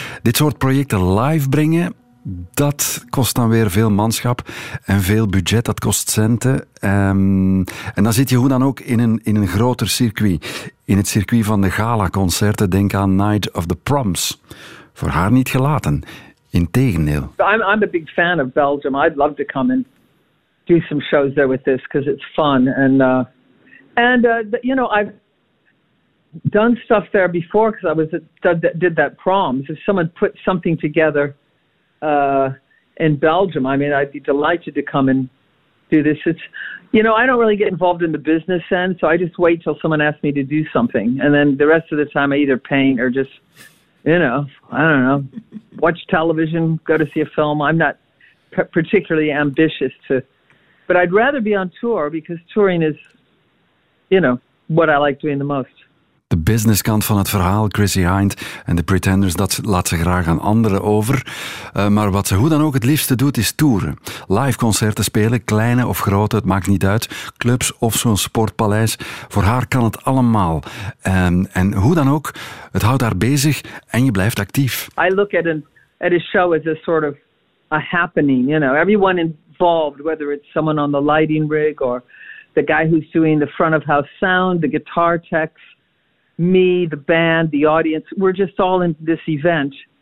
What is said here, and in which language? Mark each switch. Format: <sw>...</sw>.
<nl>Dit soort projecten live brengen, dat kost dan weer veel manschap en veel budget, dat kost centen. En dan zit je hoe dan ook in een groter circuit. In het circuit van de galaconcerten, denk aan Night of the Proms. Voor haar niet gelaten, integendeel.</nl> <en>I'm a big fan of Belgium. I'd love to come and do some shows there with this, because it's fun. And I've done stuff there before, because I was did that Proms. If someone put something together in Belgium, I mean, I'd be delighted to come and do this. It's, you know, I don't really get involved in the business end, so I just wait till someone asks me to do something, and then the rest of the time I either paint or just, you know, I don't know, watch television, go to see a film. I'm not particularly ambitious to, but I'd rather be on tour, because touring is, you know, what I like doing the most.</en> <nl>De businesskant van het verhaal, Chrissy Hynde en de Pretenders, dat laat ze graag aan anderen over. Maar wat ze hoe dan ook het liefste doet, is toeren. Live concerten spelen, kleine of grote, het maakt niet uit. Clubs of zo'n sportpaleis. Voor haar kan het allemaal. En hoe dan ook, het houdt haar bezig en je blijft actief.</nl> <en>I look at a show as a sort of a happening, you know. Everyone involved, whether it's someone on the lighting rig or the guy who's doing the front of house sound, the guitar techs, me, the band, the audience, we're just all in this event.</en>